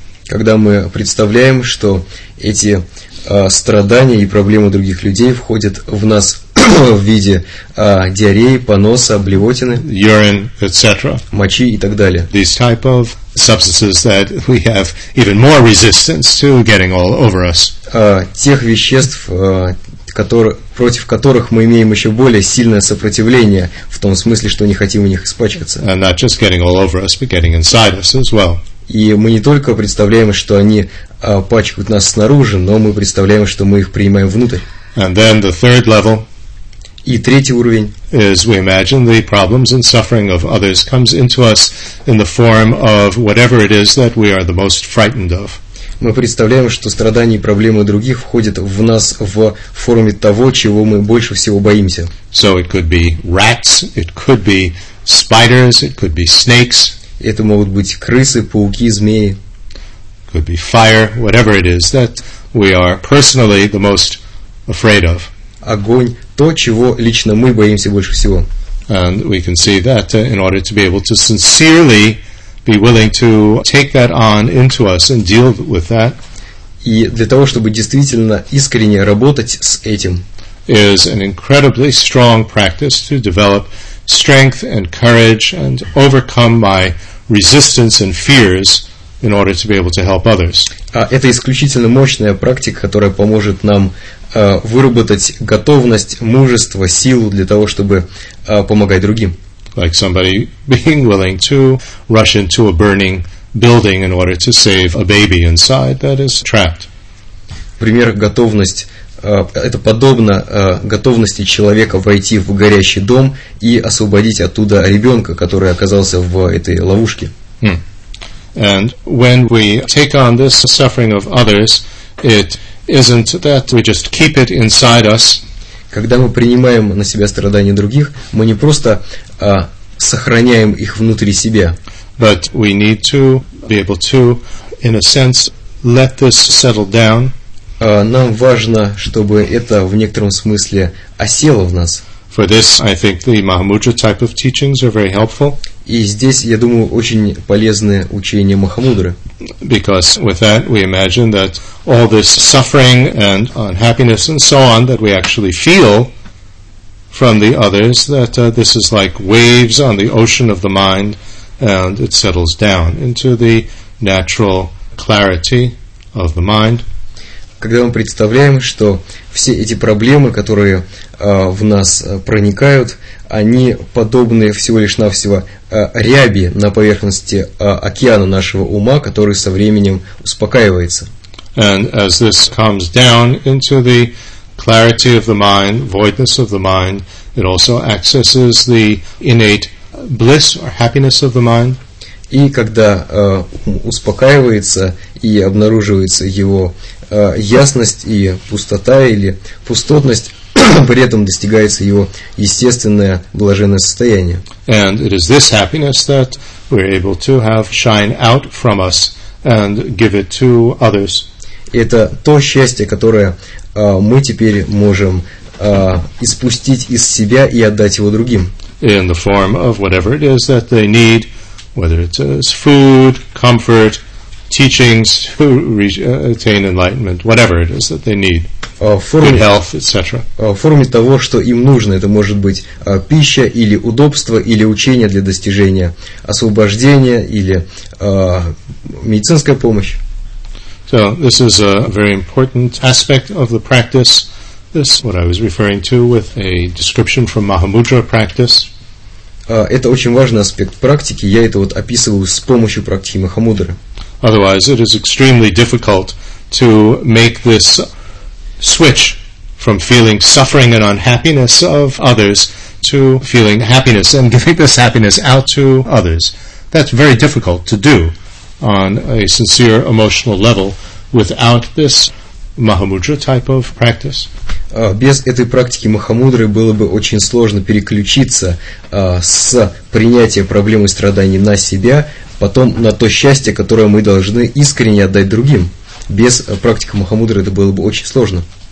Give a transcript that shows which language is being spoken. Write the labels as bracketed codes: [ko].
[ru] Когда мы представляем, что эти страдания и проблемы других людей входят в нас в виде диареи, поноса, блевотины, [en] urine, etc. [ru] Мочи и так далее. [en] These type of substances that we have even more resistance to getting all over us. [ru] Тех веществ, против которых мы имеем еще более сильное сопротивление, в том смысле, что не хотим у них испачкаться. [en] And not just getting all over us, but getting inside us as well. [ru] И мы не только представляем, что они пачкают нас снаружи, но мы представляем, что мы их принимаем внутрь. [en] And then the third level. [ru] И третий уровень. [en] Is we imagine the problems and suffering of others comes into us in the form of whatever it is that we are the most frightened of. [ru] Мы представляем, что страдания и проблемы других входят в нас в форме того, чего мы больше всего боимся. [en] So it could be rats, it could be spiders, it could be snakes. [ru] Это могут быть крысы, пауки, змеи. [en] Could be fire, whatever it is that we are personally the most afraid of. [ru] Огонь, то, чего лично мы боимся больше всего. [en] And we can see that in order to be able to sincerely be willing to take that on into us and deal with that. [ru] И для того, чтобы действительно искренне работать с этим, [en] is an incredibly strong practice to develop strength and courage and overcome my resistance and fears in order to be able to help others. [ru] Это исключительно мощная практика, которая поможет нам выработать готовность, мужество, силу для того, чтобы помогать другим. [en] Like somebody being willing to rush into a burning building in order to save a baby inside that is trapped. [ru] Пример готовность. Это подобно готовности человека войти в горящий дом и освободить оттуда ребенка, который оказался в этой ловушке. Hmm. [en] And when we take on this suffering of others, it isn't that we just keep it inside us. [ru] Когда мы принимаем на себя страдания других, мы не просто сохраняем их внутри себя. [en] But we need to be able to, in a sense, let this settle down. [ru] Нам важно, чтобы это в некотором смысле осело в нас. [en] For this, I think the Mahamudra type of teachings are very helpful. [ru] И здесь, я думаю, очень полезное учение Махамудры. [en] Because with that we imagine that all this suffering and unhappiness and so on that we actually feel from the others, that this is like waves on the ocean of the mind, and it settles down into the natural clarity of the mind. [ru] Когда мы представляем, что все эти проблемы, которые в нас проникают, они подобны всего лишь навсего ряби на поверхности океана нашего ума, который со временем успокаивается. [en] And as this comes down into the clarity of the mind, voidness of the mind, it also accesses the innate bliss or happiness of the mind. [ru] И когда успокаивается и обнаруживается его ясность и пустота или пустотность, при этом достигается его естественное блаженное состояние. [en] And it is this happiness that we're able to have shine out from us and give it to others. [ru] Это то счастье, которое мы теперь можем испустить из себя и отдать его другим. [en] In the form of whatever it is that they need, whether it is food, comfort, teachings to attain enlightenment, whatever it is that they need, good health, etc. [ru] В форме того, что им нужно, это может быть пища или удобство или учение для достижения освобождения или медицинская помощь. [en] So this is a very important aspect of the practice. This what I was referring to with a description from Mahamudra practice. [ru] Это очень важный аспект практики. Я это вот описываю с помощью практики Махамудры. [en] Otherwise, it is extremely difficult to make this switch from feeling suffering and unhappiness of others to feeling happiness and giving this happiness out to others. That's very difficult to do on a sincere emotional level without this Mahamudra type of practice. [ru] Без этой практики Махамудры было бы очень сложно переключиться с принятия проблем и страданий на себя, потом на то счастье, которое мы должны искренне отдать другим. Без практики Махамудры это было бы очень сложно.